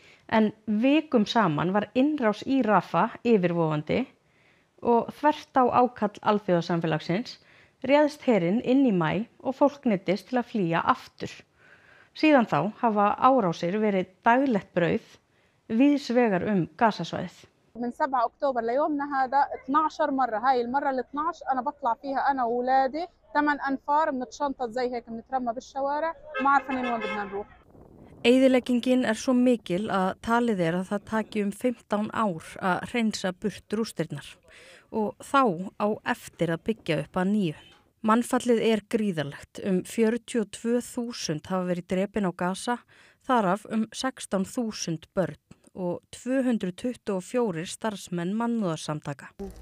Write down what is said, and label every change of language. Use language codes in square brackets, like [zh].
[is] En vikum saman var innrás í Rafa yfirvofandi og þvert á ákall alþjóðasamfélagsins réðst herinn inn í maí og fólk neyddist til að flýja aftur. Síðan þá hafa árásir verið daglegt brauð víðs vegar Gazasvæðið. [ar] من 7 اكتوبر ليومنا هذا 12 مره هاي المره ال 12 انا بطلع فيها انا واولادي 8 انفار بنتشنطط زي هيك بنترمى بالشوارع ما عارفين وين بدنا نروح [is] Eyðileggingin svo mikil að talið að það taki 15 ár að hreinsa burt rústirnar og þá á eftir að byggja upp að nýju. Mannfallið gríðarlegt. 42.000 hafa verið drepin á Gaza, þar af 16.000 börn og 224 starfsmenn mannúðarsamtaka.